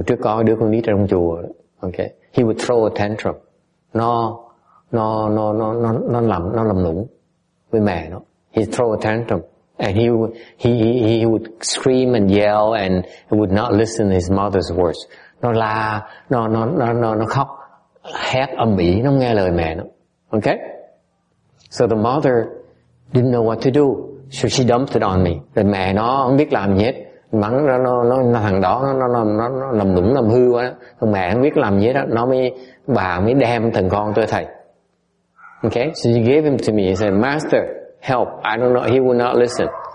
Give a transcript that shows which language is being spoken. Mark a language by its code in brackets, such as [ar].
[vi] Trước có đứa con nít trong chùa. Okay. [en] He would throw a tantrum. [vi] Nó làm lũng với mẹ nó. [en] He'd throw a tantrum. And he would scream and yell and would not listen to his mother's words. [vi] Nó la, nó khóc, hét ầm ĩ, nó nghe lời mẹ nó. [en] Okay? So the mother didn't know what to do. So she dumped it on me. [vi] Rồi mẹ nó không biết làm gì hết. Mắng nó thằng đó nó làm đúng làm hư quá. Rồi mẹ không biết làm gì hết. Nó mới, bà mới đem thằng con tôi thầy. [en] Okay? So she gave him to me. He said, Master, help. I don't know. He will not listen.